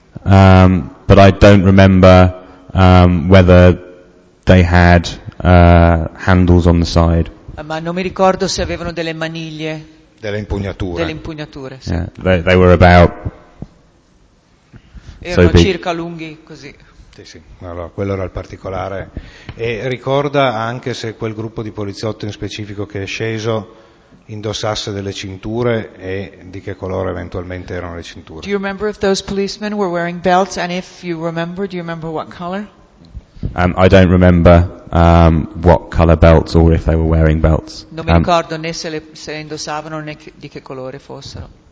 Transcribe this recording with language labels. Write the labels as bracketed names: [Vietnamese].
[English] But I don't remember whether they had handles on the side. [Italian] Ma non mi ricordo se avevano delle maniglie. Delle impugnature. Sì. [English] Yeah, they were about. [Italian] Erano so circa big. Lunghi così. Sì, sì. Allora, quello era il particolare. E ricorda anche se quel gruppo di poliziotto in specifico che è sceso indossasse delle cinture e di che colore eventualmente erano le cinture. [English] Do you remember if those policemen were wearing belts and if you remember, do you remember what color? I don't remember what color belts or if they were wearing belts. [Italian] Non mi ricordo né se le indossavano né di che colore fossero.